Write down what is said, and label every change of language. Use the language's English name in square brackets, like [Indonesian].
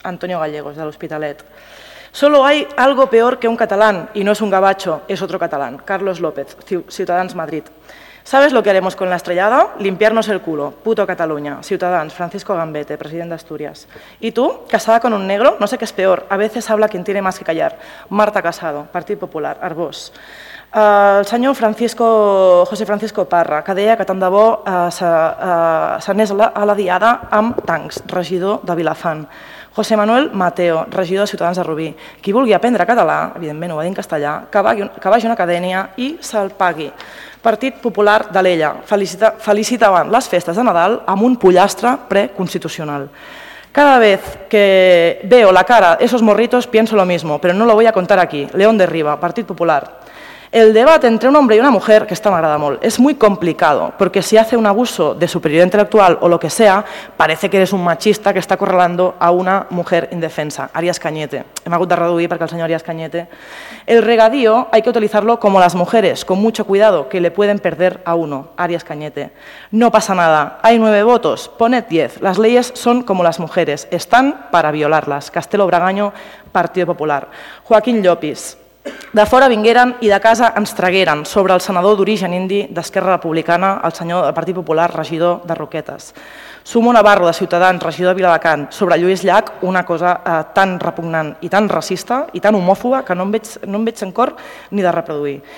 [Spanish] Antonio Gallegos, del Hospitalet. Solo hay algo peor que un catalán, y no es un gabacho, es otro catalán. Carlos López, Ciutadans Madrid. ¿Sabes lo que haremos con la estrellada? Limpiarnos el culo. Puto Cataluña. Ciutadans, Francisco Gambete, presidente de Asturias. ¿Y tú? ¿Casada con un negro? No sé qué es peor. A veces habla quien tiene más que callar. Marta Casado, Partido Popular, Arbós. [Catalan] El senyor Francisco, José Francisco Parra, que deia que tant de bo s'anés a la diada amb tancs, regidor de Vilafant. José Manuel Mateo, regidor de Ciutadans de Rubí. Qui vulgui aprendre català, evidentment ho va dir en castellà, que vagi a una acadèmia i se'l pagui. Partit Popular d'Alella, felicitaven les festes de Nadal amb un pollastre preconstitucional. [Spanish] Cada vez que veo la cara de esos morritos pienso lo mismo, pero no lo voy a contar aquí. León de Riba, Partit Popular. El debate entre un hombre y una mujer, que esta [Catalan] m'agrada molt, [Spanish] es muy complicado, porque si hace un abuso de superioridad intelectual o lo que sea, parece que eres un machista que está acorralando a una mujer indefensa. Arias Cañete. [Catalan] Hem hagut de reduir perquè el senyor Arias Cañete. [Spanish] El regadío hay que utilizarlo como las mujeres, con mucho cuidado, que le pueden perder a uno. Arias Cañete. No pasa nada. Hay 9 votos. Poned 10. Las leyes son como las mujeres. Están para violarlas. Castelo Bragaño, Partido Popular. Joaquín Llopis. [Catalan] De fora vingueren i de casa ens tragueren, sobre el senador d'origen indi d'Esquerra Republicana, el senyor del Partit Popular, regidor de Roquetes. Sumo Navarro, de Ciutadans, regidor de Viladecans, sobre Lluís Llach, una cosa tan repugnant i tan racista i tan homòfoba que no em veig en cor ni de reproduir.